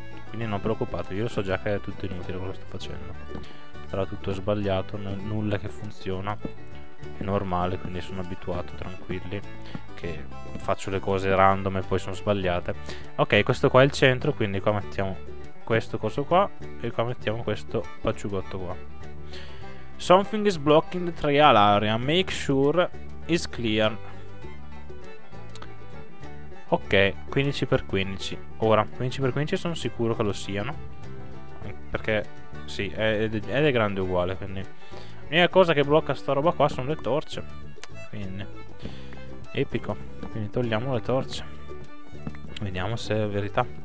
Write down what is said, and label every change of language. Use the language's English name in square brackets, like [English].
[Italian] Quindi non preoccupatevi, io lo so già che è tutto inutile quello che sto facendo. Sarà tutto sbagliato, nulla che funziona. È normale, quindi sono abituato, tranquilli, che faccio le cose random e poi sono sbagliate. Ok, questo qua è il centro, quindi qua mettiamo questo coso qua e qua mettiamo questo pacciugotto qua. [English] Something is blocking the trial area, make sure it's clear. [Italian] Ok, 15x15. Ora, 15x15 sono sicuro che lo siano, perché sì, è grande uguale, quindi... L'unica cosa che blocca sta roba qua sono le torce. Quindi epico. Quindi togliamo le torce. Vediamo se è verità.